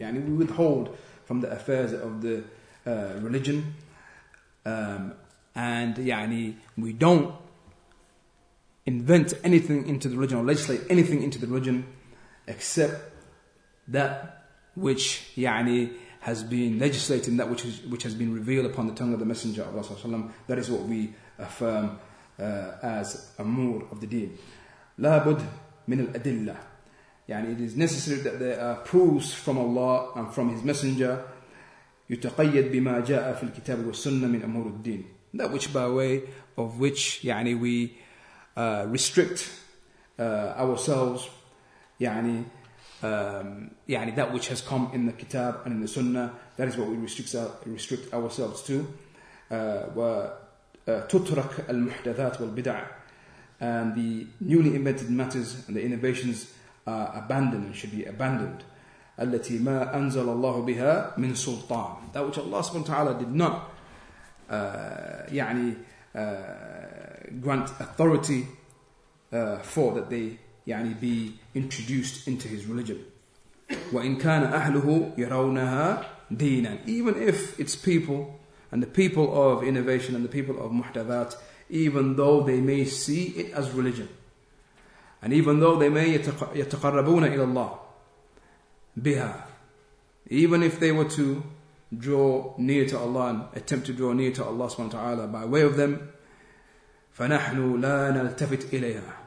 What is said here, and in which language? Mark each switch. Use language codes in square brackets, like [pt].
[en] يعني we withhold from the affairs of the religion, and يعني we don't invent anything into the religion or legislate anything into the religion except that which يعني has been legislated, and that which has been revealed upon the tongue of the Messenger of Allah. That is what we affirm as amur of the deen. [ar] لا بد من الأدلة. [en] يعني it is necessary that there are proofs from Allah and from His Messenger. [ar] يتقيد بما جاء في الكتاب والسنة من أمور الدين. [en] That which by way of which يعني we restrict ourselves, يعني يعني that which has come in the kitab and in the sunnah, that is what we restrict ourselves to. [ar] وتترك المحدثات والبدع, [en] and the newly invented matters and the innovations are abandoned and should be abandoned. [ar] التي ما أنزل الله بها من سلطان. [en] That which Allah subhanahu wa ta'ala did not grant authority for that they يعني be introduced into his religion. [ar] وإن كان أهله يرونها دينا. [en] Even if its people and the people of innovation and the people of muhtadhat, even though they may see it as religion, and even though they may [ar] يتقربون إلى الله [en] biha, even if they were to draw near to Allah and attempt to draw near to Allah subhanahu wa ta'ala by way of them, [ar] فَنَحْنُ لَا نَلْتَفِتْ إِلَيْهَا.